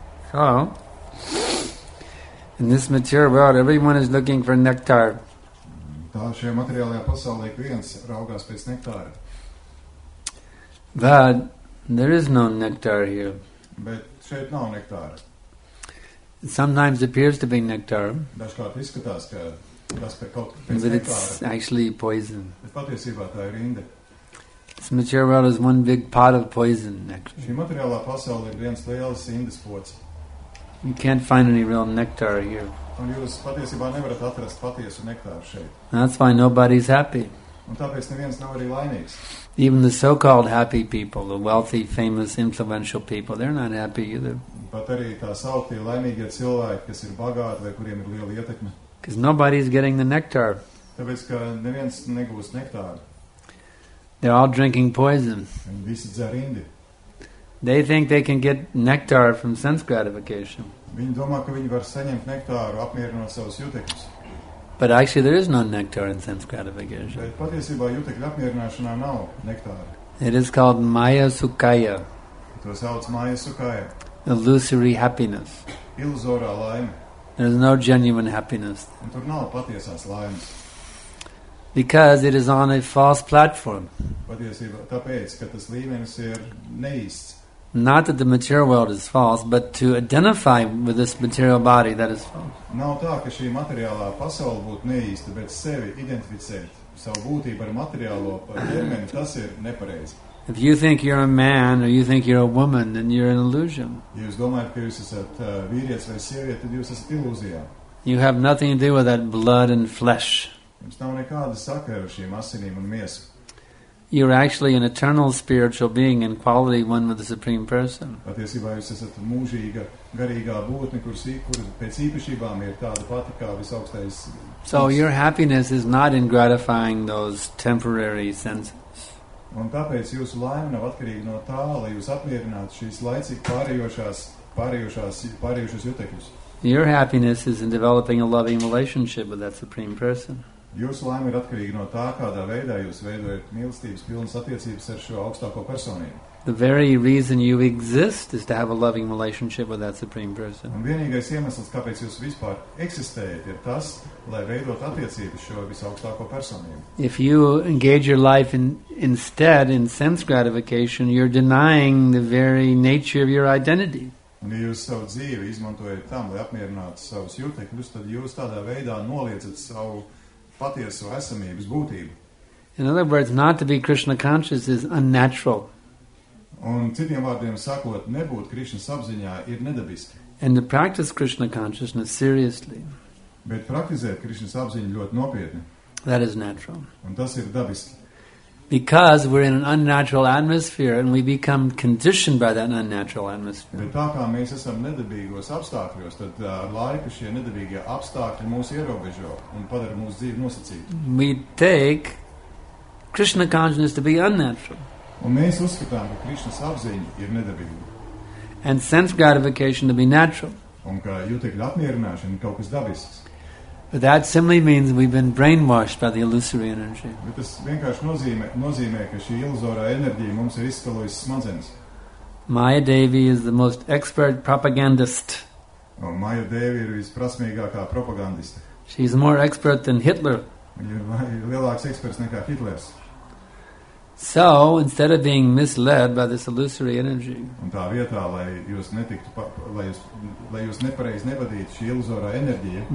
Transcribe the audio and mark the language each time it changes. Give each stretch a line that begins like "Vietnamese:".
English: So, in this material world, everyone is looking for nectar.
Latvian: Šajā materiālajā pasaulē viens raugās pēc nektāra.
English: But there is no nectar here.
Latvian: Bet šeit nav nektāra.
English: Sometimes appears to be nectar.
Latvian: Dažkārt izskatās, ka tas pēc nektāra.
English: But it's actually poison.
Latvian: Bet patiesībā tā ir inde.
English: This material world is one big pot of poison.
Latvian: Šī materiālā pasaulē ir viens liels indes pots.
English: You can't find any real nectar here.
Latvian: Un jūs patiesībā nevarat atrast patiesu nektāru šeit.
English: That's why nobody's happy.
Latvian: Un tāpēc neviens nav arī laimīgs.
English: Even the so-called happy people, the wealthy, famous, influential people, they're not happy either.
Latvian: Pat arī tā sauktie laimīgie cilvēki, kas ir bagāti vai kuriem ir liela ietekme.
English: Because nobody's getting the nectar.
Latvian: Tāpēc, ka neviens negūs nektāru.
English: They're all drinking poison.
Latvian: Un visi dzer indi.
English: They think they can get nectar from sense gratification.
Latvian: Viņi domā, ka viņi var saņemt nektāru apmierinot savus jūtekļus.
English: But actually there is no nectar in sense gratification.
Latvian: Bet patiesībā jūtekļu apmierināšanā nav nektāra.
English: It is called Maya Sukaya.
Latvian: To sauc Maya Sukaya.
English: Illusory happiness.
Latvian: Illusorā laime.
English: There is no genuine happiness.
Latvian: Un tur nav patiesās laimes.
English: Because it is on a false platform.
Latvian: Patiesībā tāpēc, ka tas līmenis ir neīsts.
English: Not that the material world is false, but to identify with this material body, that is false.
Latvian: Nav tā, ka šī materiālā pasaule būtu neīsta, bet sevi identificēt, savu būtību ar materiālo ķermeni, tas ir nepareizi.
English: If you think you're a man or you think you're a woman, then you're an illusion.
Latvian: Ja jūs domājat, ka jūs esat vīrietis vai sieviete, tad jūs esat ilūzijā.
English: You have nothing to do with that blood and flesh.
Latvian: Jums nav nekāda sakara ar šīm asinīm un miesu.
English: You're actually an eternal spiritual being in quality one with the Supreme Person.
Latvian: Patiesībā jūs esat mūžīga, garīgā būtne, kur pēc īpašībām ir tāda pati kā visaugstais.
English: So your happiness is not in gratifying those temporary senses.
Latvian: Un tāpēc jūsu laime nav atkarīga no tā, lai jūs apmierinātu šīs laicīgi pārējošās jutekļus.
English: Your happiness is in developing a loving relationship with that Supreme Person.
Latvian: Jūsu laime ir atkarīga no tā, kādā veidā jūs veidojat mīlestības pilnas attiecības ar šo augstāko personību.
English: The very reason you exist is to have a loving relationship with that Supreme Person.
Latvian: Un vienīgais iemesls, kāpēc jūs vispār eksistējat, ir tas, lai veidot attiecības šo visaugstāko personību.
English: If you engage your life instead in sense gratification, you're denying the very nature of your identity.
Latvian: Un, ja jūs savu dzīvi izmantojat tam, lai apmierinātu savus jūtekļus, tad jūs tādā veidā noliedzat savu patieso esamības būtību.
English: In other words, not to be Krishna conscious is unnatural.
Latvian: Un citiem vārdiem sakot, nebūt Krishna apziņā ir nedabiski.
English: And to practice Krishna consciousness seriously.
Latvian: Bet praktizēt Krishna apziņu ļoti nopietni.
English: That is natural.
Latvian: Un tas ir dabiski.
English: Because we're in an unnatural atmosphere and we become conditioned by that unnatural atmosphere.
Latvian: Bet tā kā mēs esam nedabīgos apstākļos, tad laika šie nedabīgie apstākļi mūs ierobežo un padara mūsu dzīvi nosacītu.
English: We take Krishna consciousness to be unnatural.
Latvian: Un mēs uzskatām, ka Krishna apziņa ir nedabīga.
English: And sense gratification to be natural.
Latvian: Un ka jūtekļu apmierināšana ir kaut kas dabisks.
English: But that simply means we've been brainwashed by the illusory energy.
Latvian: Bet tas vienkārši nozīmē, ka šī iluzorā enerģija mums ir izskalojusi smadzenes.
English: Maya Devi is the most expert propagandist.
Latvian: Un Maya Devi ir visprasmīgākā propagandista.
English: She is more expert than Hitler.
Latvian: Viņa ir lielāks eksperts nekā Hitlers.
English: So, instead of being misled by this illusory energy,
Latvian: un tā vietā, lai jūs nepareizi nevadītu šī iluzorā enerģija,